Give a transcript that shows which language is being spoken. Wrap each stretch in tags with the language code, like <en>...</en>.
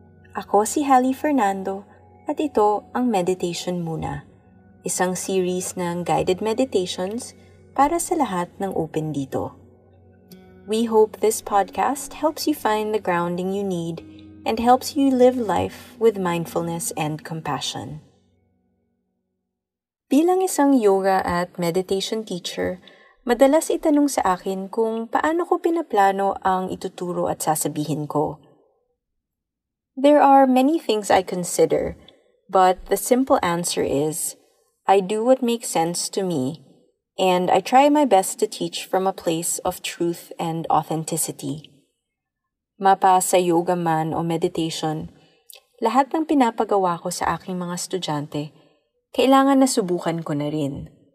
<tl>Ako si Helly Fernando at ito ang Meditation Muna, isang series ng guided meditations para sa lahat ng Open Dito.</tl> <en>We hope this podcast helps you find the grounding you need and helps you live life with mindfulness and compassion.</en> <tl>Bilang isang yoga at meditation teacher, madalas itanong sa akin kung paano ko pinaplano ang ituturo at sasabihin ko.</tl> <en>There are many things I consider, but the simple answer is, I do what makes sense to me, and I try my best to teach from a place of truth and authenticity.</en> <tl>Mapa sa yoga man o meditation, lahat ng pinapagawa ko sa aking mga estudyante, kailangan na subukan ko na rin.</tl>